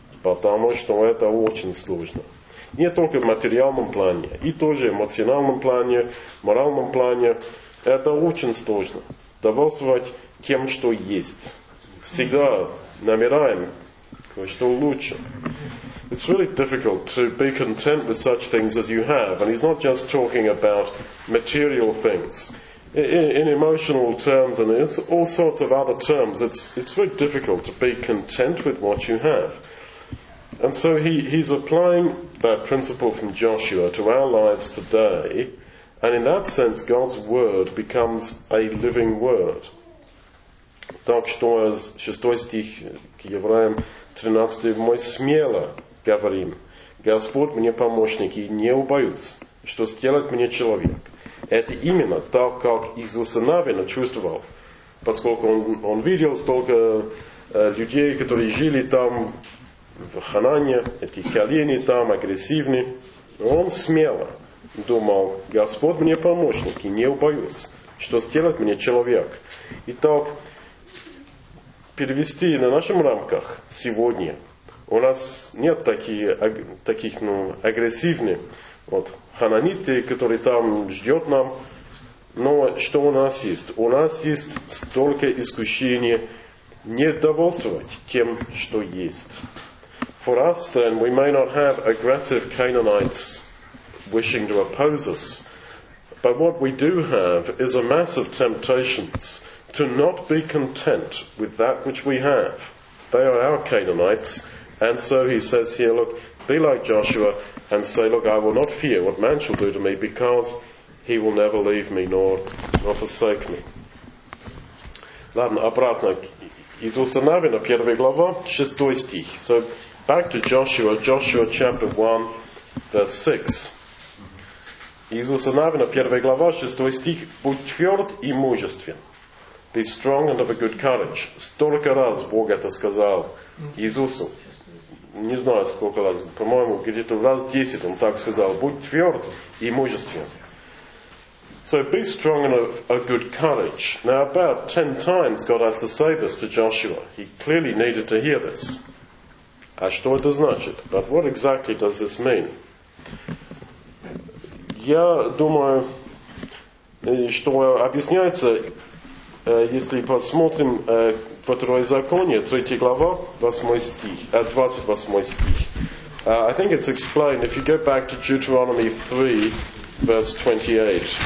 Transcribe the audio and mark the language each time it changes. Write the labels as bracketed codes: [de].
[ru] Потому что это очень сложно. Не только в материальном плане, и тоже в эмоциональном плане, в моральном плане. Это очень сложно. Довольствовать тем, что есть. Всегда намираем, что лучше. [en] It's really difficult to be content with such things as you have. And he's not just talking about material things. In emotional terms and in all sorts of other terms, it's very difficult to be content with what you have. And so he's applying that principle from Joshua to our lives today, and in that sense, God's word becomes a living word. [ru] Так что, 6 стих к Евреям, 13, мы смело говорим, Господь мне помощник, и не убоюсь, что сделает мне человек. Это именно так, как Иисус Навин чувствовал, поскольку он видел столько людей, которые жили там, в Ханане, эти колени там агрессивны. Он смело думал, Господь мне помощник, и не убоюсь, что сделает мне человек. Итак, перевести на наших рамках сегодня. У нас нет таких агрессивных вот, хананиты, которые там ждет нам. Но что у нас есть? У нас есть столько искушений не довольствовать тем, что есть. [en] For us, then, we may not have aggressive Canaanites wishing to oppose us. But what we do have is a mass of temptations to not be content with that which we have. They are our Canaanites. And so he says here, look, be like Joshua and say, look, I will not fear what man shall do to me because he will never leave me nor forsake me. [ru] Ладно, обратно. Иисус Навина, 1 глава, 6 стих. [en] So, back to Joshua, Joshua chapter 1, verse 6. [ru] Иисуса Навина, 1 глава, 6 стих. Будь тверд и мужествен. [en] Be strong and of a good courage. [ru] Столько раз Бог это сказал Иисусу. Не знаю, сколько раз. По-моему, где-то раз 10 он так сказал. Будь тверд и мужествен. [en] So be strong and of a good courage. Now about 10 times God has to say this to Joshua. He clearly needed to hear this. [ru] А что это значит? [en] But what exactly does this mean? [ru] Я думаю, что объясняется, если посмотрим Второзаконие, 3 глава, 8 стих, 28 стих. [en] I think it's explained if you go back to Deuteronomy 3, verse 28.